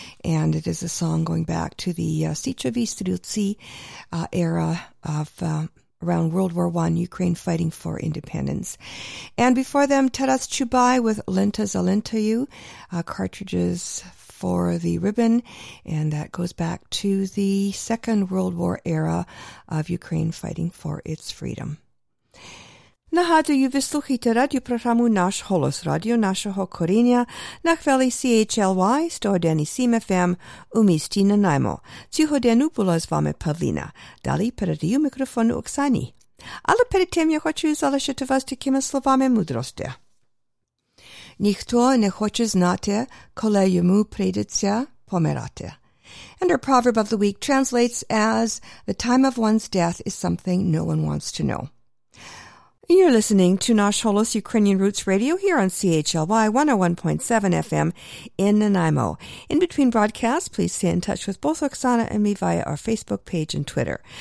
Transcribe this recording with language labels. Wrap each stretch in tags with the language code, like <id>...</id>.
<en>And it is a song going back to the Sichovi Strelci era of around World War I, Ukraine fighting for independence. And before them, Taras Chubai with Lenta Zalentayu, Cartridges for the Ribbon, and that goes back to the Second World War era of Ukraine fighting for its freedom.</en> <uk>Нагадую, вислухайте радіопрограму «Наш голос» радіо нашого коріння на хвилі CHLY 101.7 FM у місті Нанаймо. Цю годину була з вами Павліна. Далі передаю мікрофон Оксані. Але перед тим я хочу залишити вас такими словами мудрості. Ніхто не хоче знати, коли йому прийдеться помирати.</uk> <en>And our proverb of the week translates as, "The time of one's death is something no one wants to know." You're listening to Nash Holos Ukrainian Roots Radio here on CHLY 101.7 FM in Nanaimo. In between broadcasts, please stay in touch with both Oksana and me via our Facebook page and Twitter.</en>